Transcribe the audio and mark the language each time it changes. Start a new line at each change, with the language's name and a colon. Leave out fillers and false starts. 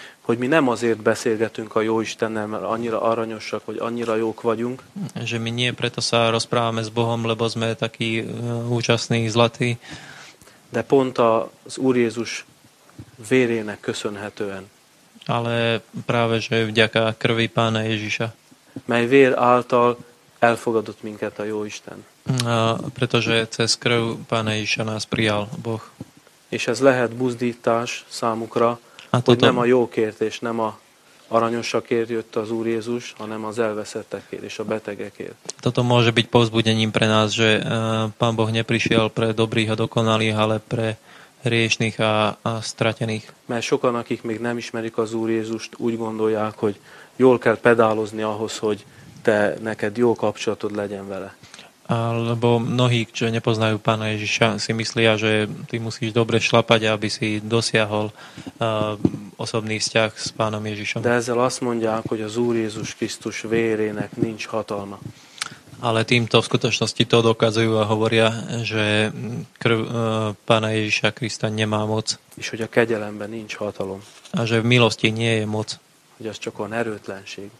Hungarian: hogy mi nem azért beszélgetünk a Jóistennel, mert annyira aranyosak, vagy annyira jók vagyunk,
Slovak: že mi nie preto sa rozprávame s Bohom, lebo sme taký účastný, zlatý,
Hungarian: de pont az Úr Jézus vérének köszönhetően,
Slovak: ale práve, že vďaka krvi Pána Ježiša,
Hungarian: mely vér által elfogadott minket a Jóisten.
Slovak: Pretože cez krv Pána Ježiša nás prijal Boh.
Hungarian: És ez lehet buzdítás számukra, hogy nem a jókért és nem a aranyosakért jött az Úr Jézus, hanem az elveszettekért és a betegekért.
Slovak: Toto môže byť povzbudením pre nás, že Pán Boh neprišiel pre dobrých a dokonalých, ale pre hriešných a stratených.
Hungarian: Mert sokan, akik még nem ismerik az Úr Jézust, úgy gondolják, hogy jól kell pedálozni ahhoz, hogy te neked jó kapcsolatod legyen vele.
Slovak: Alebo mnohí, čo nepoznajú Pána Ježiša, si myslia, že ty musíš dobre šlapať, aby si dosiahol osobný vzťah s Pánom Ježišom.
Hungarian: De ezzel azt mondják, hogy az Úr Jézus Krisztus vérének nincs hatalma.
Slovak: Ale týmto v skutočnosti to dokazujú a hovoria, že krv Pána Ježiša Krista nemá moc.
Hungarian: És hogy a kegyelemben nincs hatalom.
Slovak: A že v milosti nie je moc.
Hungarian: Hogy az csak on erőtlenség.